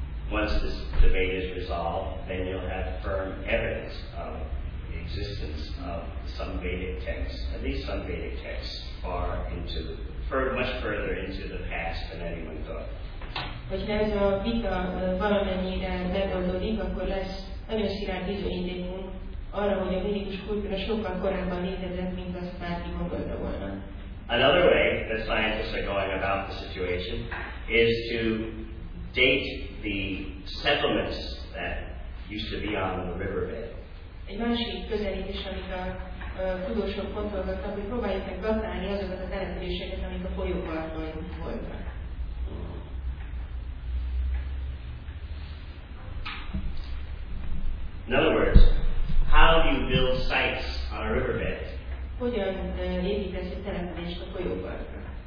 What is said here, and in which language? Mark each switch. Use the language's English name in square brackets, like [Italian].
[English] Once this debate is resolved, then you'll have firm evidence of the existence of some Vedic texts, at least some Vedic texts, far into, much further into the past than anyone thought. [Hungarian] Hogyha ez a vita valamennyire megoldódik, akkor lesz nagyon szilárd bizonyítékunk arra, hogy a védikus kultúra sokkal korábban létezett, mint azt bárki gondolta volna. [English] Another way that scientists are going about the situation is to date the settlements that used to be on the riverbed. [Hungarian] Egy másik közelítés, amit a tudósok pontolgattak, hogy próbáljuk meg datálni azokat a településeket, amik a folyóparton voltak. [English] In other words, how do you build sites on a riverbed? [Hungarian] Hogyan építesz egy települést a folyóparton?